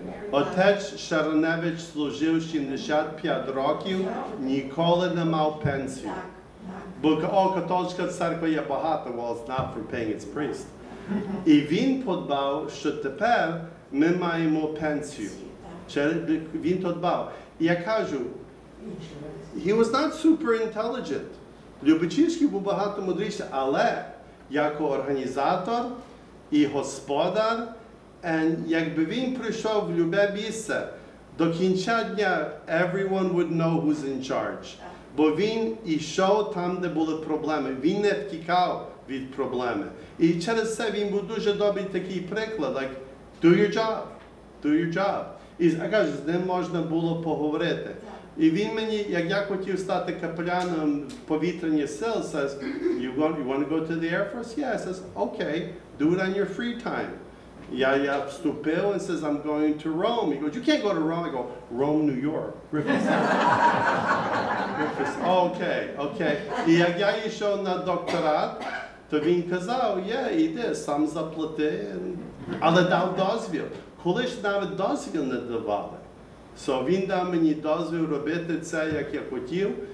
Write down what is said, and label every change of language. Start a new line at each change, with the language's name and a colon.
Ukrainian: Отець Шаранович служив 65 років, ніколи не мав пенсію. Бо католицька церква є багато,
English: well, it's not for paying its priest.
Ukrainian: І він подбав, що тепер ми маємо пенсію. Він подбав. І я кажу,
English: he was not super intelligent.
Ukrainian: Любочівський був багато мудріший, але як організатор і господар, and якби він прийшов в любе місце, до кінця дня
English: everyone would know who's in charge.
Ukrainian: Бо він йшов там, де були проблеми. Він не втікав від проблеми. І через це він був дуже добрий такий приклад,
English: like, do your job, do your job.
Ukrainian: І я кажу, з ним можна було поговорити. І він мені, як я хотів стати капеляном повітряних сил,
English: says, you want to go to the Air Force? Yeah, I says, okay, do it on your free time.
Ukrainian: Я вступив
English: and says, I'm going to Rome. He goes, you can't go to Rome. I go, Rome, New York. Griffiths. Okay.
Ukrainian: І як я йшов на докторат, то він казав, yeah, іди, сам заплати. Але дав дозвіл. Коли ж навіть дозвіл не давали. So він дав мені дозвіл робити це, як я хотів.